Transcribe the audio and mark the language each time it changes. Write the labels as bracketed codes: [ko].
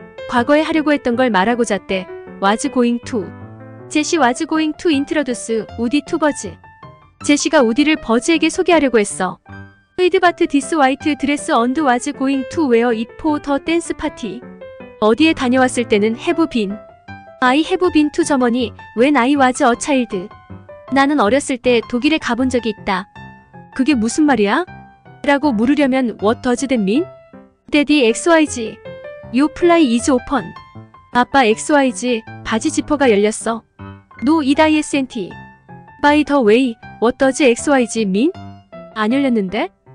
[ko] 과거에 하려고 했던 걸 말하고자 때. [en] Was going to. 제시 was going to introduce 우디 to 버즈. [ko] 제시가 우디를 버즈에게 소개하려고 했어. [en] Played but this white dress and was going to wear it for the dance party. [ko] 어디에 다녀왔을 때는 have been. [en] I have been to Germany when I was a child. [ko] 나는 어렸을 때 독일에 가본 적이 있다. 그게 무슨 말이야? 라고 물으려면 [en] what does that mean? Daddy XYZ. Your fly is open. [ko] 아빠 XYZ, 바지 지퍼가 열렸어. [en] No, it isn't. By the way, what does XYZ mean? [ko] 안 열렸는데?